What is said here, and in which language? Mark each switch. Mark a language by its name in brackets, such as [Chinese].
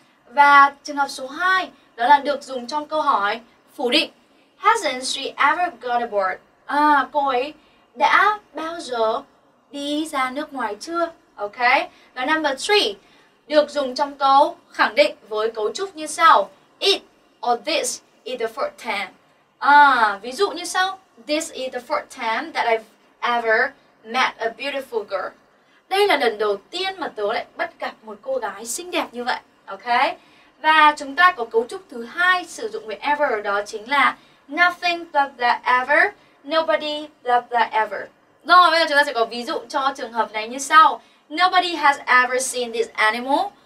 [Vietnamese] Và trường hợp số 2 đó là được dùng trong câu hỏi phủ định. [English] Hasn't she ever got aboard? [Vietnamese] À, cô ấy đã bao giờ đi ra nước ngoài chưa? Ok. Và number 3 được dùng trong câu khẳng định với cấu trúc như sau. [English] It or this is the first time. [Vietnamese] À, ví dụ như sau. [English] This is the first time that I've ever met a beautiful girl. [Vietnamese] Đây là lần đầu tiên mà tớ lại bắt gặp một cô gái xinh đẹp như vậy. Ok. Và chúng ta có cấu trúc thứ hai sử dụng với ever, đó chính là [English] nothing blah blah ever, [Vietnamese] nobody blah blah ever. Rồi, bây giờ chúng ta sẽ có ví dụ cho trường hợp này như sau. [English] Nobody has ever seen this animal.